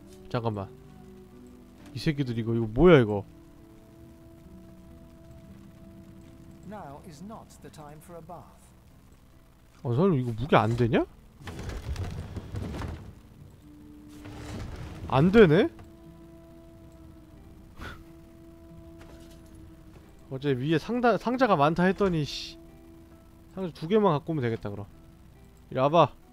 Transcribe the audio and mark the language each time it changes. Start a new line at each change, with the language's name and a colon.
Korean: 잠깐만. 이 새끼들 이거 뭐야 이거?
English: Now is not the time for a bath.
Korean: 어, 설마 이거 무게 안 되냐? 안 되네? 어제 위에 상자가 많다 했더니, 씨. 상자 두 개만 갖고 오면 되겠다, 그럼. 이리 와봐.